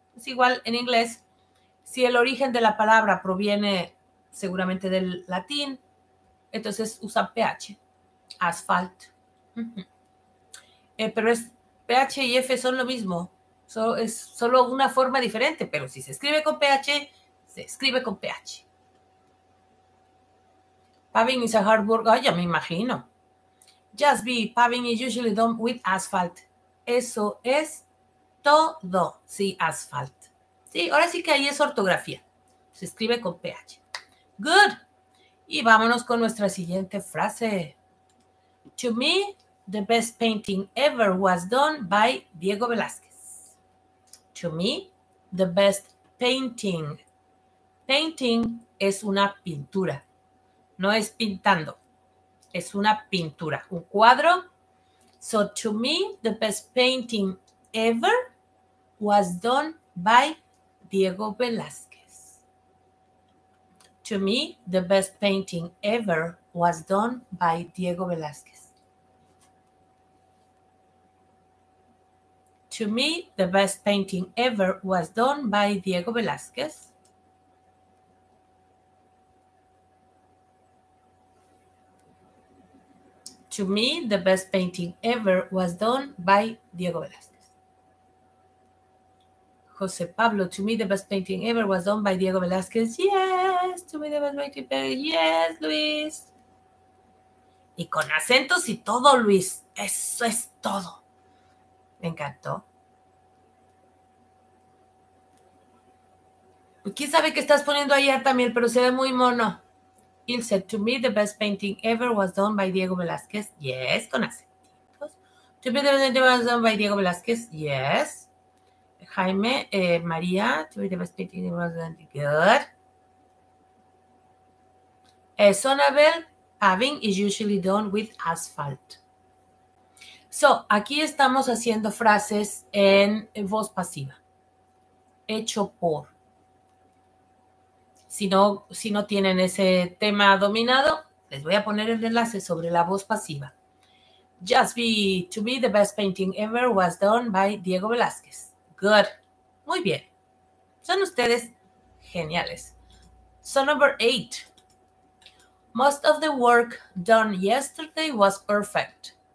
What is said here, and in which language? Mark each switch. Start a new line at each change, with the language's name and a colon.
Spanish: Es igual en inglés. Si el origen de la palabra proviene seguramente del latín, entonces usa PH, asphalt. Pero es PH y F son lo mismo. Es solo una forma diferente, pero si se escribe con PH, se escribe con PH.
English: Paving is a hard work. Oh,
Spanish: ya me imagino.
English: Just be, paving is usually done with asphalt.
Spanish: Eso es todo. Sí, asphalt. Sí, ahora sí que ahí es ortografía. Se escribe con PH.
English: Good.
Spanish: Y vámonos con nuestra siguiente frase.
English: To me, the best painting ever was done by Diego Velázquez. To me, the best painting. Painting
Spanish: es una pintura. No es pintando. Es una pintura. Un cuadro.
English: So, to me, the best painting ever was done by Diego Velázquez. To me, the best painting ever was done by Diego Velázquez. To me, the best painting ever was done by Diego Velázquez. To me, the best painting ever was done by Diego Velázquez. José Pablo, to me the best painting ever was done by Diego Velázquez. Yes, to me the best painting ever. Yes, Luis.
Spanish: Y con acentos y todo, Luis. Eso es todo. Me encantó. ¿Quién sabe qué estás poniendo ahí, Artamiel? Pero se ve muy mono.
English: Ilse, to me the best painting ever was done by Diego Velázquez. Yes,
Spanish: con acentos.
English: To me the best painting ever was done by Diego Velázquez. Yes. Jaime, María, to be the best painting ever was done. Good. Sonabel, Paving is usually done with asphalt.
Spanish: So, aquí estamos haciendo frases en voz pasiva. Hecho por. Si no tienen ese tema dominado, les voy a poner el enlace sobre la voz pasiva.
English: To me, the best painting ever was done by Diego Velázquez. Good.
Spanish: Muy bien. Son ustedes geniales.
English: So, number 8. Most of the work done yesterday was perfect.